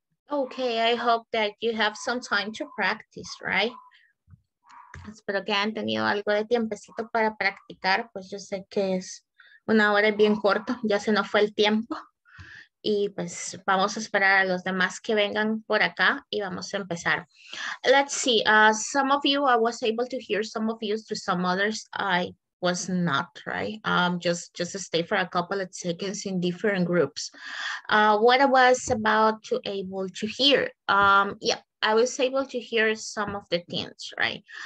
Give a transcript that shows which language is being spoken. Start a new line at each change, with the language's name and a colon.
English: Okay, I hope that you have some time to practice, right?
Spanish: Espero que hayan tenido algo de tiempecito para practicar, pues yo sé que es una hora bien corto, ya se nos fue el tiempo. Y pues vamos a esperar a los demás que vengan por acá y vamos a empezar.
English: Let's see, some of you, I was able to hear some of you, to some others, I was not, right? Just stay for a couple of seconds in different groups. What I was about to able to hear. I was able to hear some of the things, right?